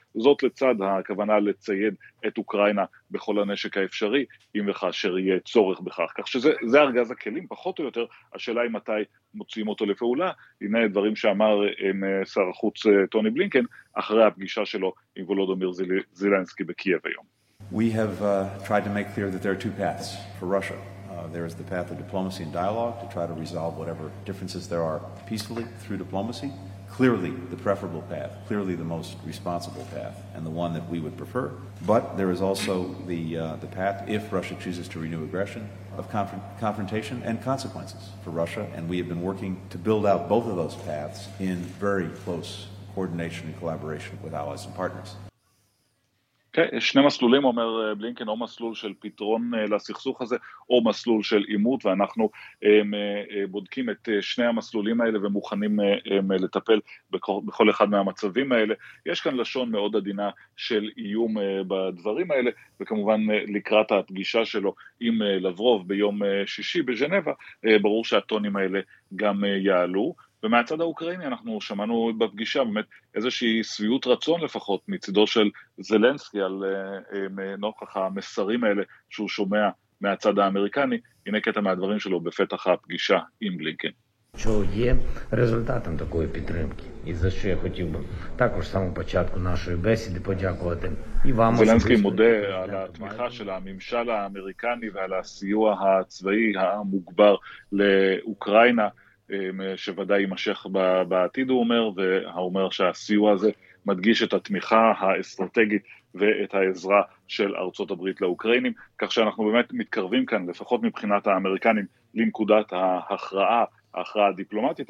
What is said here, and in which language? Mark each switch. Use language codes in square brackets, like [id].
[he] זאת לצד הכוונה לצייד את אוקראינה בכל הנשק האפשרי, אם וכאשר יהיה צורך בכך. כך שזה ארגז הכלים, פחות או יותר, השאלה היא מתי מוצאים אותו לפעולה. הנה הדברים שאמר שר החוץ טוני בלינקן, אחרי הפגישה שלו עם וולודומיר זילנסקי בקייב היום. [en] We have tried to make clear that there are two paths for Russia. There is the path of diplomacy and dialogue to try to resolve whatever differences there are peacefully through diplomacy. Clearly the preferable path, clearly the most responsible path, and the one that we would prefer. But there is also the path, if Russia chooses to renew aggression, of confrontation and consequences for Russia. And we have been working to build out both of those paths in very close coordination and collaboration with allies and partners. [he] שני מסלולים, אומר בלינקן, או מסלול של פתרון לסכסוך הזה, או מסלול של אימות, ואנחנו בודקים את שני המסלולים האלה ומוכנים לטפל בכל אחד מהמצבים האלה. יש כאן לשון מאוד עדינה של איום בדברים האלה, וכמובן לקראת הפגישה שלו עם לברוב ביום שישי בז'נבה, ברור שהטונים האלה גם יעלו. ומהצד האוקראיני אנחנו שמענו בפגישה באמת איזושהי סביות רצון לפחות מצידו של זלנסקי על נוכח המסרים האלה שהוא שומע מהצד האמריקני. הנה קטע מהדברים שלו בפתח הפגישה עם בלינקן. [uk] Що є результатом такої підтримки. І за що я хотів би також самого початку нашої бесіди подякувати і вам. Зеленський мудє [he] על התמיכה של הממשל האמריקני ועל הסיוע הצבאי המוגבר לאוקראינה. שוודאי יימשך בעתיד, הוא אומר, והאומר שהסיוע הזה מדגיש את התמיכה האסטרטגית ואת העזרה של ארצות הברית לאוקראינים, כך שאנחנו באמת מתקרבים כאן, לפחות מבחינת האמריקנים, לנקודת ההכרעה הדיפלומטית.